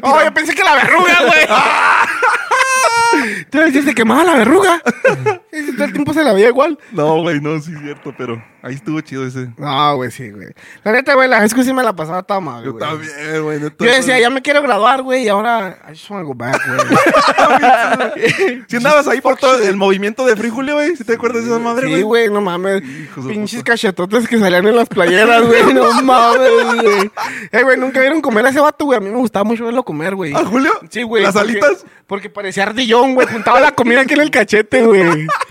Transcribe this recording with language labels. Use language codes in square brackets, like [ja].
[es] tiraba... ¡Oh, yo pensé que la verruga, güey! ¿Tú ves que se quemaba la verruga? Todo el tiempo se la veía igual. No, güey, no, sí es cierto, pero ahí estuvo chido ese. No, güey, sí, güey. La neta, güey, la vez que sí me la pasaba toda mal, güey. Yo también, güey. Yo decía, ya me quiero graduar, güey, y ahora... [en] I just want to go back, [es] güey. Si andabas ahí por todo el movimiento de frijol, güey, si te acuerdas de esa madre, güey. Sí, güey, no mames. Hijo pinches cachetotes que salían en las playeras, güey, no mames, güey. Güey, nunca vieron comer a ese vato, güey. A mí me gustaba mucho verlo comer, güey. ¿A Julio? Sí, güey. ¿Las alitas? Porque parecía ardillón, güey. Juntaba la comida aquí en el cachete, güey.